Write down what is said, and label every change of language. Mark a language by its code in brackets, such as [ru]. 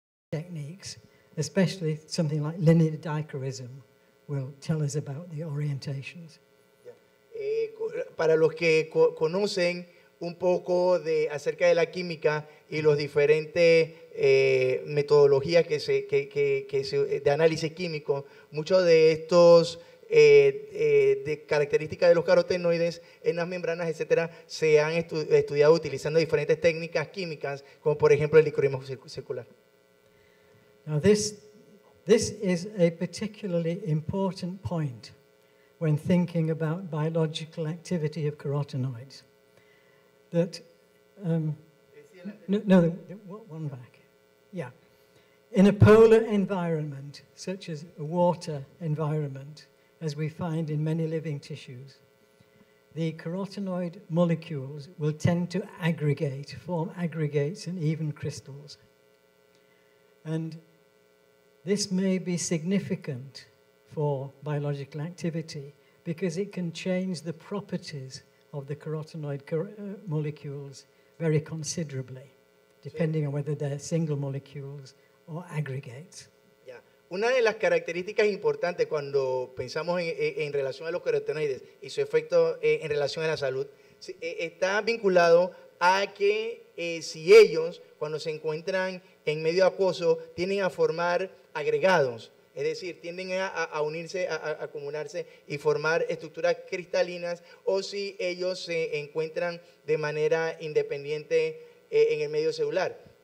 [en] Techniques, especially something like linear dichroism, will tell us about the orientations. Yeah. [es] Para los que conocen un poco de acerca de la química y los diferentes metodologías que se de análisis químico, muchos de estos de características de los carotenoides en las membranas, etcétera, se han estudiado utilizando diferentes técnicas químicas, como por ejemplo el dicroísmo circular. [en] Now this is a particularly important point when thinking about biological activity of carotenoids. that one back. Yeah. In a polar environment, such as a water environment, as we find in many living tissues, the carotenoid molecules will tend to aggregate, form aggregates and even crystals. And this may be significant for biological activity because it can change the properties of the carotenoid molecules very considerably, depending on whether they're single molecules or aggregates. [es] Una de las características importantes cuando pensamos en relación a los carotenoides y su efecto en relación a la salud está vinculado a que si ellos, cuando se encuentran en medio acuoso, tienden a formar agregados, es decir, tienden a unirse, a acumularse y formar estructuras cristalinas, o si ellos se encuentran de manera independiente en el medio celular.